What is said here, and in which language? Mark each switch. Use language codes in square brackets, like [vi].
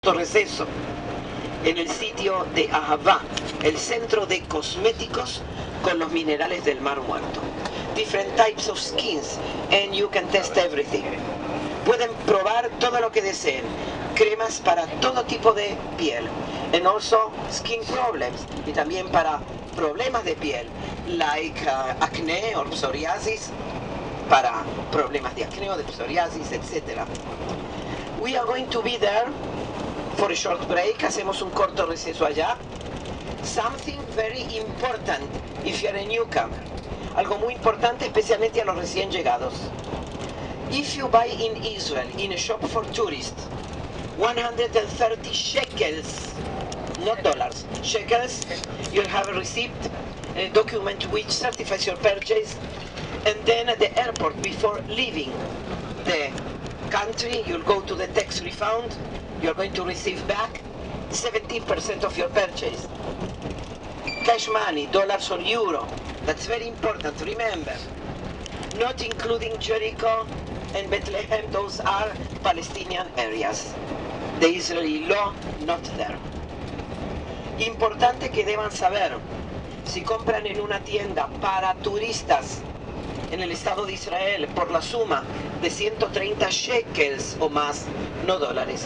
[es] sexto receso, en el sitio de Ahavá, el centro de cosméticos con los minerales del Mar Muerto. [en] Different types of skins, and you can test everything. [es] Pueden probar todo lo que deseen, cremas para todo tipo de piel, [en] and also skin problems, [es] y también para problemas de piel, [en] like acné or psoriasis, [es] para problemas de acné o de psoriasis, etc. [en] We are going to be there for a short break, [es] hacemos un corto receso allá. [en] Something very important if you're a newcomer. [es] Algo muy importante, especialmente a los recién llegados. [en] If you buy in Israel, in a shop for tourists, 130 shekels, not dollars, shekels, you'll have a receipt, a document which certifies your purchase, and then at the airport, before leaving the country, you'll go to the tax refund, you're going to receive back 17% of your purchase. Cash money, dollars or euro, that's very important, remember. Not including Jericho and Bethlehem, those are Palestinian areas. The Israeli law, not there. [es] Importante que deban saber, si compran en una tienda para turistas en el Estado de Israel por la suma de 130 shekels o más, no dólares.